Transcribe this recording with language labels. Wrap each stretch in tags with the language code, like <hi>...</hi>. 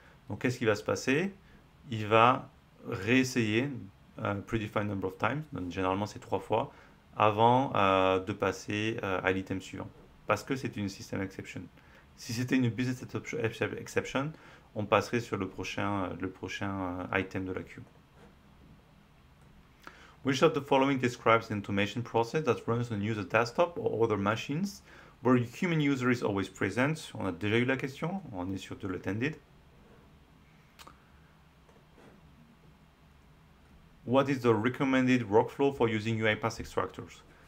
<fr>Donc, qu'est-ce qui va se passer? Il va réessayer</fr> <en>predefined number of times.</en> <fr>Donc, généralement, c'est trois fois. Avant de passer à l'item suivant. Parce que c'est une system exception. Si c'était une business exception, on passerait sur le prochain item de la queue.</fr> <en>Which of the following describes an automation process that runs on user desktop or other machines where a human user is always present?</en> <fr>On a déjà eu la question, on est sur de l'attended.</fr> <en>What is the recommended workflow for using UiPath extractors?</en>